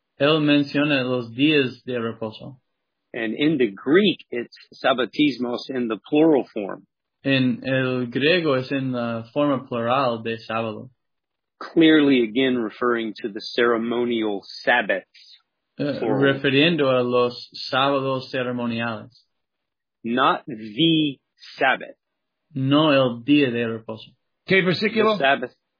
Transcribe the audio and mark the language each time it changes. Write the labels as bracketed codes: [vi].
[es] Él menciona los días de reposo. [en] And in the Greek, it's sabbatismos in the plural form. [es] En el griego es en la forma plural de sábado. [en] Clearly, again, referring to the ceremonial Sabbaths. [es] Refiriendo a los sábados ceremoniales. [en] Not the Sabbath. [es] No el día de reposo. ¿Qué versículo? [en] The Sabbath.